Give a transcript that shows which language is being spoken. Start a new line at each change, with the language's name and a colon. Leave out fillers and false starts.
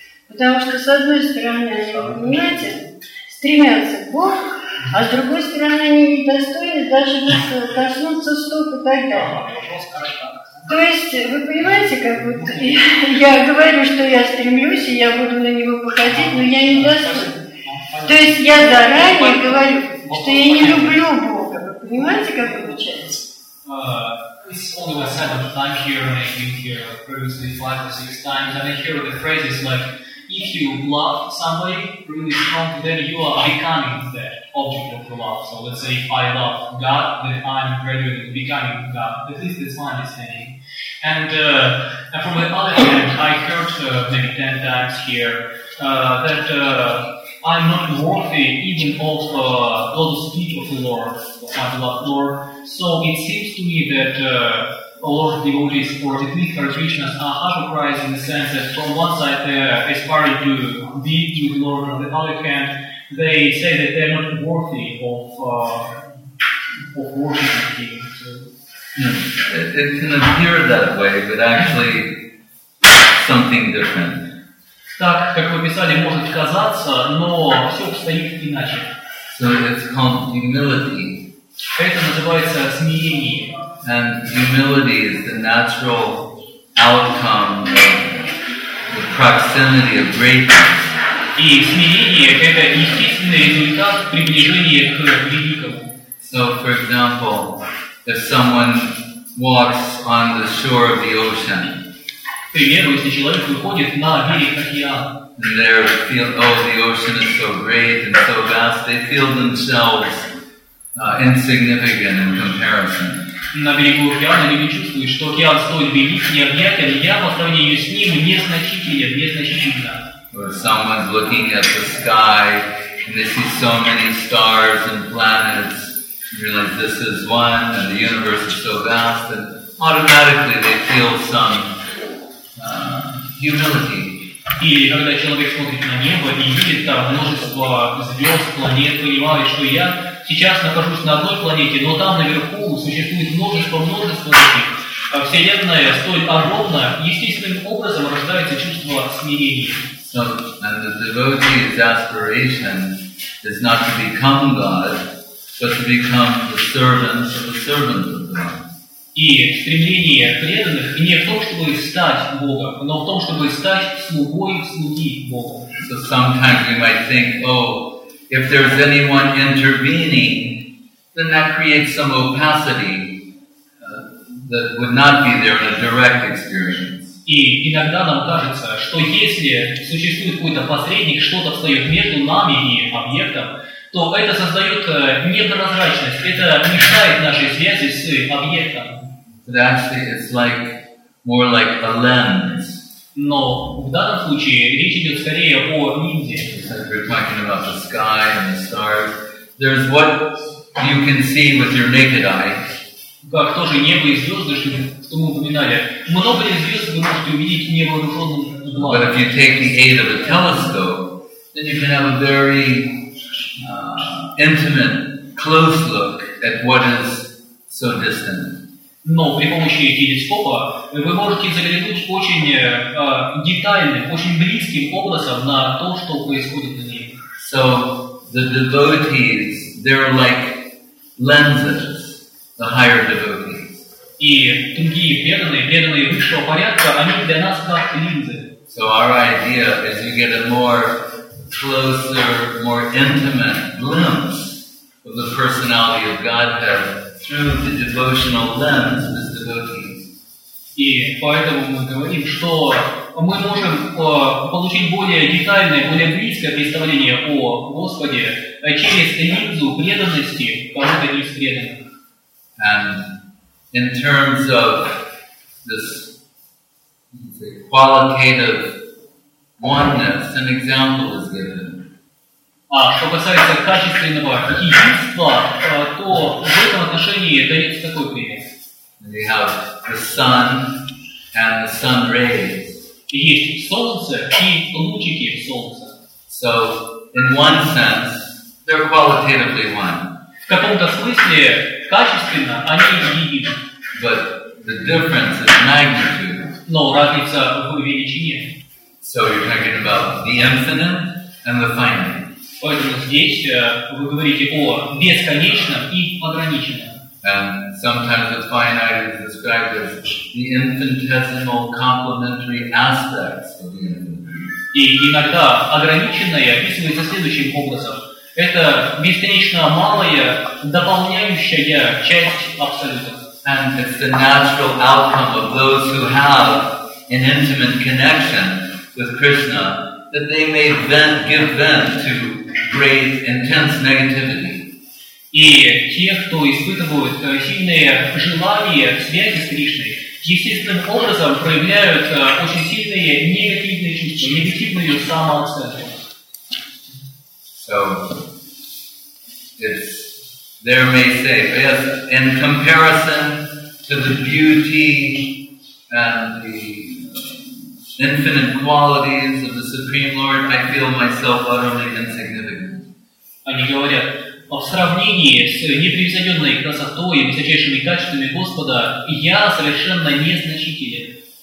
Russian: Потому что, с одной стороны, они, понимаете, стремятся к Богу, а с другой стороны, они недостойны даже коснуться стоп и так далее. То есть, вы понимаете, как вот я говорю, что я стремлюсь, и я буду на него походить, но я недостойна. То есть, я заранее говорю, что я не люблю Бога. Понимаете, как получается?
English: It's only my seventh time here, and I've been here previously 5 or 6 times, and I hear the phrases like, if you love somebody really strong, then you are becoming the object of the love. So let's say if I love God, then I'm gradually becoming God. This is the line I'm saying. And from the other hand, I heard maybe 10 times here that I'm not worthy even of God's speech of the Lord, of my beloved Lord. So it seems to me that a lot of devotees, or at least Krishna's, are hypocrites in the sense that from one side they aspire to be to the Lord, on the other hand, they say that they're not worthy of worshiping Him. So. It can appear that way, but actually something different.
Russian: Так, как в описании может казаться, но все обстоит иначе.
English: So it's called humility.
Russian: Это называется смирение.
English: And humility is the natural outcome of the proximity of greatness.
Russian: И смирение – это естественный результат приближения к великому.
English: So, for example, if someone walks on the shore of the ocean,
Russian: к примеру, если человек выходит на берег океана,
English: oh, the ocean is so great and so vast, they feel themselves insignificant in comparison.
Russian: На берегу океана люди чувствуют, что океан стоит велик, необъятен, я по сравнению с ним незначителен, незначительно.
English: Or someone's looking at the sky and they see so many stars and planets, and you're like, this is one, and the universe is so vast, and automatically they feel some humility.
Russian: И когда человек смотрит на небо и видит там множество звезд, планет, понимает, что я сейчас нахожусь на одной планете, но там наверху существует множество таких. Вселенная столь огромна, естественным образом рождается чувство смирения.
English: So, and the devotee's aspiration is not to become God, but to become the servant of the servant of God.
Russian: И стремление преданных не в том, чтобы стать Богом, но в том, чтобы стать слугой слуги Бога.
English: So sometimes we might think, oh, if there's anyone intervening, then that creates some opacity that would not be there in a direct experience.
Russian: И иногда нам кажется, что если существует какой-то посредник, что-то встает между нами и объектом, то это создает непрозрачность, это мешает нашей связи с объектом.
English: But actually, it's like more like a lens.
Russian: Но в данном случае речь идет скорее о линзе.
English: said, we're talking about the sky and the stars. There's what you can see with your naked eye.
Russian: Как тоже небо и звезды, что мы упоминали. Много ли звезд вы можете увидеть невооруженным глазом?
English: But if you take the aid of a telescope, then you can have a very intimate, close look at what is so distant.
Russian: Но при помощи телескопа вы можете заглянуть очень детальным, очень близким образом на то, что происходит на небе.
English: So the devotees, they're like lenses. The higher devotees.
Russian: И другие преданные, преданные высшего порядка, они для нас как линзы.
English: So our idea is you get a more closer, more intimate glimpse of the personality of Godhead through the devotional lens of his devotees.
Russian: И поэтому мы говорим, что мы можем получить более детальное, более близкое представление о Господе через линзу преданности Господа и преданных.
English: And in terms of this qualitative oneness, an example is given.
Russian: Что касается качественного единства, то в этом отношении дается такой пример.
English: We have the sun and the sun rays.
Russian: Есть солнце и лучики солнца.
English: So, in one sense, they're qualitatively one.
Russian: В каком-то смысле качественно, они едины.
English: But the difference is magnitude.
Russian: Но разница в величине.
English: So you're talking about the infinite and the finite.
Russian: Поэтому здесь вы говорите о бесконечном и ограниченном.
English: And sometimes the finite is described as the infinitesimal complementary aspects of the infinite.
Russian: И иногда ограниченное описывается следующим образом. Это бесконечно малая, дополняющая часть Абсолюта.
English: And it's the natural outcome of those who have an intimate connection with Krishna that they may vent, give vent to great, intense negativity.
Russian: И те, кто испытывают сильные желания в связи с Кришной, естественным образом проявляют очень сильные негативные чувства, негативную самооценку.
English: So, it's there may say, but yes, in comparison to the beauty and the infinite qualities of the Supreme Lord, I feel myself utterly insignificant.
Russian: Они говорят, а в сравнении с непревзойденной красотой и высочайшими качествами Господа, я совершенно незначителен.